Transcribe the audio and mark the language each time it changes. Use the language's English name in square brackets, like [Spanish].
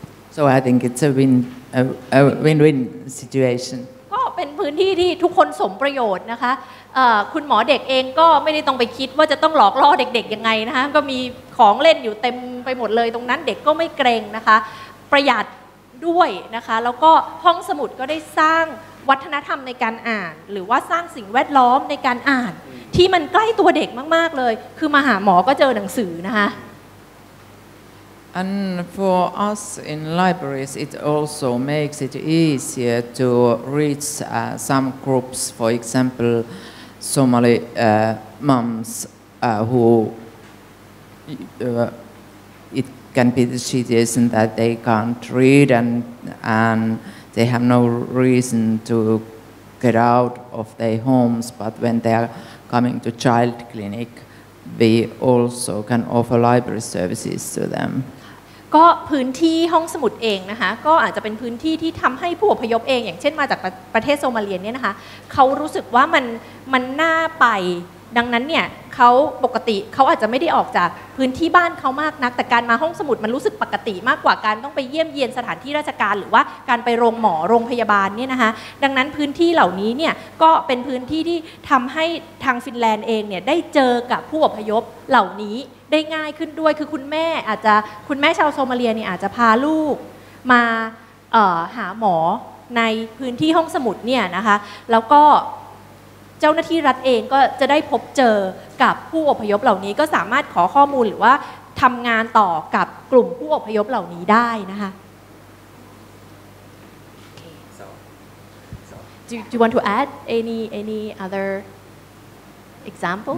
[English] so I think it's a win-win situation [Thai] ก็เป็นพื้นที่ที่ทุกคนสมประโยชน์นะคะคุณหมอเด็กเองก็ไม่ได้ต้องไปคิดว่าจะต้องหลอกล่อเด็กๆยังไงนะคะก็มีของเล่นอยู่เต็มไปหมดเลยตรงนั้นเด็กก็ไม่เกรงนะคะประหยัดด้วยนะคะแล้วก็ห้องสมุดก็ได้สร้างวัฒนธรรมในการอ่านหรือว่าสร้างสิ่งแวดล้อมในการอ่านที่มันใกล้ตัวเด็กมากๆเลยคือมาหาหมอก็เจอหนังสือนะคะ [English] And for us in libraries it also makes it easier to reach some groups for exampleSomali moms who it can be the situation that they can't read and they have no reason to get out of their homes, but when they are coming to child clinic, we also can offer library services to them. [Thai] ก็พื้นที่ห้องสมุดเองนะคะก็อาจจะเป็นพื้นที่ที่ทำให้ผู้อพยพเองอย่างเช่นมาจากประเทศโซมาเลียเนี่ยนะคะเขารู้สึกว่ามันน่าไป ดังนั้นเนี่ยเขาปกติเขาอาจจะไม่ได้ออกจากพื้นที่บ้านเขามากนักแต่การมาห้องสมุดมันรู้สึกปกติมากกว่าการต้องไปเยี่ยมเยียนสถานที่ราชการหรือว่าการไปโรงหมอโรงพยาบาลเนี่ยนะคะดังนั้นพื้นที่เหล่านี้เนี่ยก็เป็นพื้นที่ที่ทำให้ทางฟินแลนด์เองเนี่ยได้เจอกับผู้อพยพเหล่านี้ได้ง่ายขึ้นด้วยคือคุณแม่อาจจะคุณแม่ชาวโซมาเลียเนี่ยอาจจะพาลูกมา หาหมอในพื้นที่ห้องสมุดเนี่ยนะคะแล้วก็เจ้าหน้าที่รัฐเองก็จะได้พบเจอกับผู้อพยพเหล่านี้ก็สามารถขอข้อมูลหรือว่าทำงานต่อกับกลุ่มผู้อพยพเหล่านี้ได้นะคะ okay. [English] Do you want to add any other examples?